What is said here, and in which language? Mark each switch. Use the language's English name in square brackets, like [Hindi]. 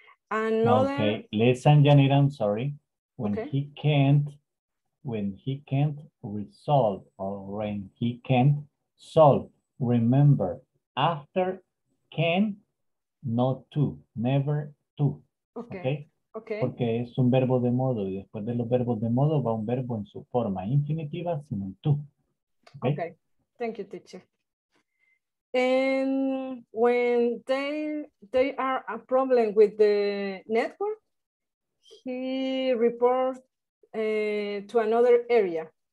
[English] Another okay. Listen, Janita, I'm sorry. When okay. when he can't solve, remember, after can, not to, never to. Okay. Okay. [Spanish] Porque es un verbo de modo y después de los verbos de modo va un verbo en su forma infinitiva sin el to. [English] Okay. Okay. Thank you, teacher. And when they are a problem with the network, he reports to another area.